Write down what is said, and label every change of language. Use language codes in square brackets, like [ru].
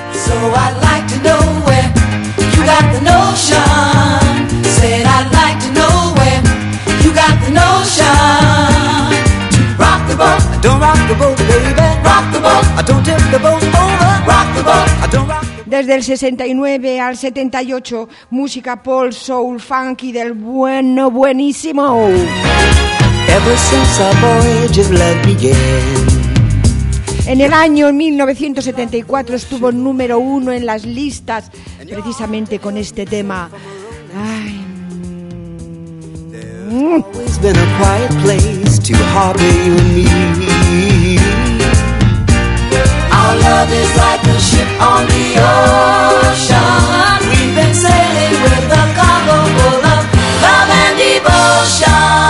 [en] So I'd like to know where you got the notion. Said I'd like to know where you got the notion. Rock the boat. I don't rock the boat, baby. Rock the boat. I don't tip the boat over. Rock the boat. I don't rock. [es] Desde el 69 al 78, música pop, soul, funky del bueno, buenísimo. [en] Ever since our voyage of love began. [es] En el año 1974 estuvo número uno en las listas, precisamente con este tema. Ay. [en] Always been a quiet place to harbor you and me. Our love is like a ship on the ocean. We've been sailing with a cargo full of love and devotion.